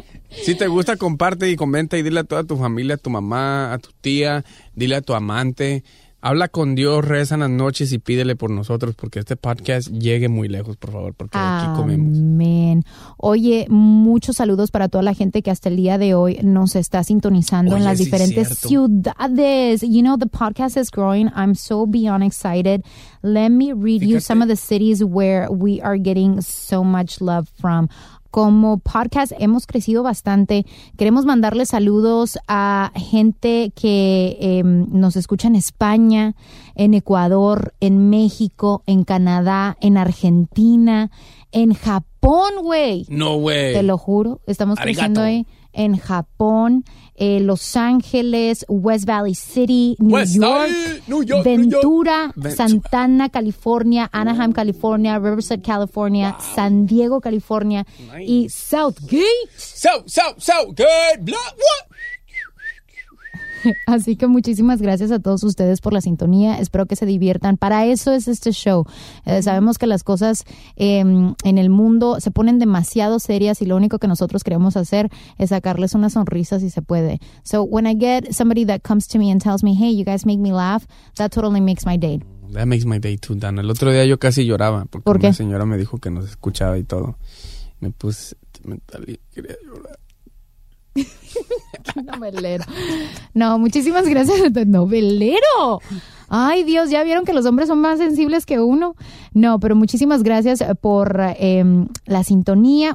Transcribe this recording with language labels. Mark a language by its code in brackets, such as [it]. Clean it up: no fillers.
[es] Si te gusta, comparte y comenta y dile a toda tu familia, a tu mamá, a tu tía, dile a tu amante. Habla con Dios, reza en las noches y pídele por nosotros porque este podcast llegue muy lejos, por favor, porque aquí comemos. Amén. Oye, muchos saludos para toda la gente que hasta el día de hoy nos está sintonizando en las diferentes ciudades. [en] You know, the podcast is growing. I'm so beyond excited. Let me read you some of the cities where we are getting so much love from. [es] Como podcast hemos crecido bastante. Queremos mandarle saludos a gente que nos escucha en España, en Ecuador, en México, en Canadá, en Argentina, en Japón, güey. No, güey. Te lo juro, estamos creciendo ahí. En Japón, Los Ángeles, West Valley City, New York, Ventura, Santa Ana, California, Anaheim, California, Riverside, California, San Diego, California, y Southgate. Southgate, blah, blah. Así que muchísimas gracias a todos ustedes por la sintonía. Espero que se diviertan. Para eso es este show. Sabemos que las cosas en el mundo se ponen demasiado serias y lo único que nosotros queremos hacer es sacarles una sonrisa si se puede. [en] So when I get somebody that comes to me and tells me, hey, you guys make me laugh, that totally makes my day. That makes my day too, Dana. [es] El otro día yo casi lloraba porque una señora me dijo que nos escuchaba y todo. Me puse sentimental y quería llorar. Novelero. No, muchísimas gracias. Novelero. Ay, Dios, ya vieron que los hombres son más sensibles que uno. No, pero muchísimas gracias por la sintonía.